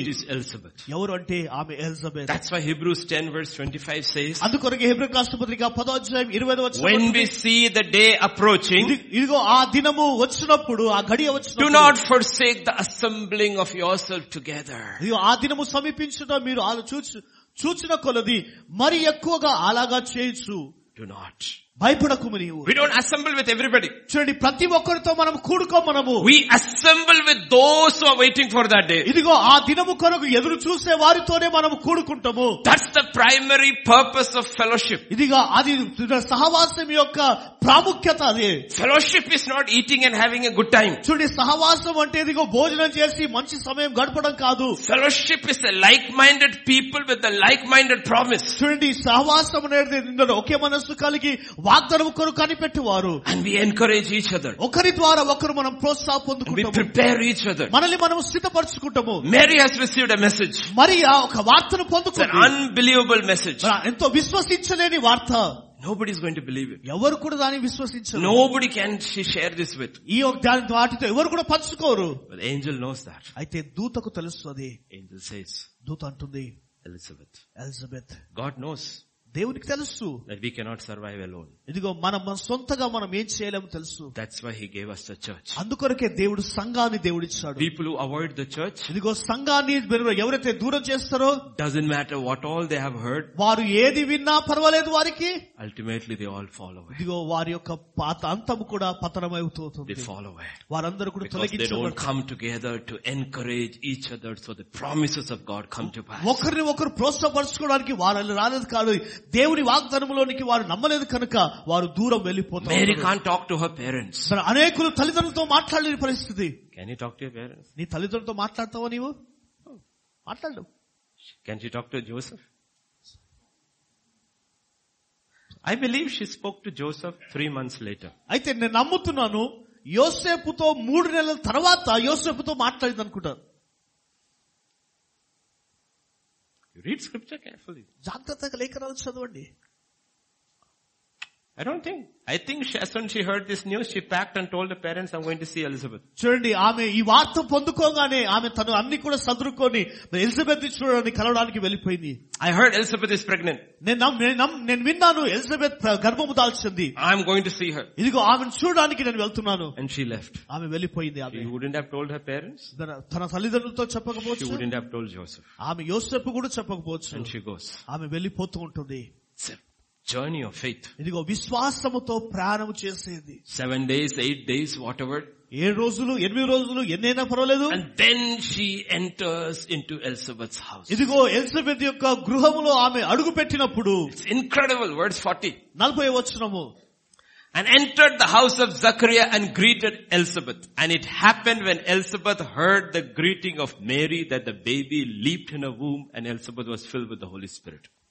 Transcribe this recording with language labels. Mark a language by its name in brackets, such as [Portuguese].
[English] It is Elizabeth. [Telugu] ఎవరు అంటే ఆమె Elizabeth. [English] That's why Hebrews 10 verse 25 says. [Telugu] అందుకొరకే హెబ్రీ రాష్ట్ర పత్రిక 10:25 [English] When we see the day approaching. [Telugu] ఇదిగో ఆ దినము వచ్చినప్పుడు ఆ గడియ వచ్చినప్పుడు. [English] Do not forsake the assembling of yourself together. [Telugu] ఇదిగో ఆ దినము సమీపించుట మీరు చూచిన కొలది మరి ఎక్కువగా అలాగా చేయొచ్చు. [English] Do not. [Telugu] భయపడకు. [English] We don't assemble with everybody. [Telugu] చూడండి ప్రతి ఒక్కరితో మనం కూడుకో మనము. [English] We assemble with those who are waiting for that day. [Telugu] ఇదిగో ఆ దినము కొరకు ఎదురు చూసే వారితోనే మనం కూడుకుంటాము. [English] That's the primary purpose of fellowship. [Telugu] ఇదిగో అది సహవాసం యొక్క ప్రాముఖ్యత. అది [English] fellowship is not eating and having a good time. [Telugu] చూడండి సహవాసం అంటే ఇదిగో భోజనం చేసి మంచి సమయం గడపడం కాదు. [English] Fellowship is a like-minded people with a like-minded promise. [Telugu] చూడండి సహవాసం అనేది ఒకే మనస్సు కలిగి వాగ్దానం కొరకు కనిపెట్టేవారు. [English] And we encourage each other. [Telugu] ఒకరి ద్వారా ఒకరు మనం ప్రోత్సాహం పొందుకుంటాము. [English] We prepare each other. [Telugu] మనల్ని మనం సిద్ధపరచుకుంటాము. [English] Mary has received a message. [Telugu] Mariya ఒక వార్తను పొందుకుంది. [English] Unbelievable message. [Telugu] ఎంతో విశ్వసించలేని వార్త. [English] Nobody is going to believe it. [Telugu] ఎవరు కూడా దాన్ని విశ్వసించరు. [English] Nobody can she share this with. [Telugu] ఈ ఒక దాని వాటితో ఎవరు కూడా పంచుకోరు. [English] But the angel knows that. [Telugu] అయితే దూతకు తెలుస్తుంది. [English] Angel says. [Telugu] దూత అంటుంది. [English] Elizabeth. Elizabeth. God knows. [Telugu] దేవునికి తెలుసు. [English] That we cannot survive alone. [Telugu] ఇదిగో మనం సొంతగా మనం ఏం చేయలేము తెలుసు. [English] That's why he gave us the church. [Telugu] అందుకొరకే దేవుడు సంఘాన్ని దేవుడిచ్చాడు. [English] People who avoid the church. [Telugu] ఇదిగో సంఘాన్ని ఎవరైతే దూరం చేస్తారో. [English] Doesn't matter what all they have heard. [Telugu] వారు ఏది విన్నా పర్వాలేదు వారికి. [English] Ultimately they all fall away. [Telugu] ఇదిగో వారి యొక్క అంతం కూడా పతనమైపోతుంది. [English] They fall away. [Telugu] వారందరూ కూడా తొలగించబడతారు. [English] They don't come together to encourage each other so the promises of God come to pass. [Telugu] ఒకరిని ఒకరు ప్రోత్సాహపరచుకోవడానికి వారు రాలేదు కాదు. దేవుని వాగ్దానంలోనికి వారు నమ్మలేదు కనుక వారు దూరం వెళ్లిపోతారు. [English] Mary can't talk to her parents. [Telugu] అనేకులు తల్లిదండ్రులతో మాట్లాడలేని పరిస్థితి. [English] Can you talk to your parents? [Telugu] నీ తల్లిదండ్రులతో మాట్లాడతావా నీవు? మాట్లాడు. [English] Can she talk to Joseph? I believe she spoke to Joseph 3 months later. [Telugu] అయితే నేను నమ్ముతున్నాను యోసేపుతో 3 నెలల తర్వాత యోసేపుతో మాట్లాడింది అనుకుంటాను. [English] You read scripture carefully. [Telugu] జాగ్రత్తగా లేఖనాలు చదవండి. [English] I think she, as soon she heard this news, she packed and told the parents, I'm going to see Elizabeth. [Telugu] చూడండి ఆమె ఈ వార్త పొందుకోగానే ఆమె తను అన్ని కూడా సదురుకొని ఎలిజబెత్ చూడడానికి కలవడానికి వెళ్ళిపోయింది. [English] I heard Elizabeth is pregnant. [Telugu] నేను విన్నాను ఎలిజబెత్ గర్భము దాల్చింది. [English] I'm going to see her. [Telugu] ఇదిగో ఆమెను చూడడానికి నేను వెళ్తున్నాను. [English] And she left. [Telugu] ఆమె వెళ్ళిపోయింది. [English] She wouldn't have told her parents. [Telugu] తన తల్లిదండ్రులతో చెప్పకపోవచ్చు. [English] She wouldn't have told Joseph. [Telugu] ఆమె యోసేపు కూడా చెప్పకపోవచ్చు. [English] And she goes. [Telugu] ఆమె వెళ్ళిపోతూ ఉంటుంది. [English] journey of faith. [Telugu] ఇదిగో విశ్వాసముతో ప్రయాణం చేసేది. [English] 7 days, 8 days, whatever. [Telugu] ఏడు రోజులు ఎనిమిది రోజులు ఎన్నైనా పర్వాలేదు. [English] And then she enters into Elizabeth's house. [Telugu] ఇదిగో ఎలిజబెత్ యొక్క గృహములో ఆమె అడుగు పెట్టినప్పుడు. [English] It's incredible words 40. [Telugu] 40వ వచనము. [English] And entered the house of Zechariah and greeted Elizabeth. And it happened when Elizabeth heard the greeting of Mary that the baby leaped in her womb and Elizabeth was filled with the Holy Spirit.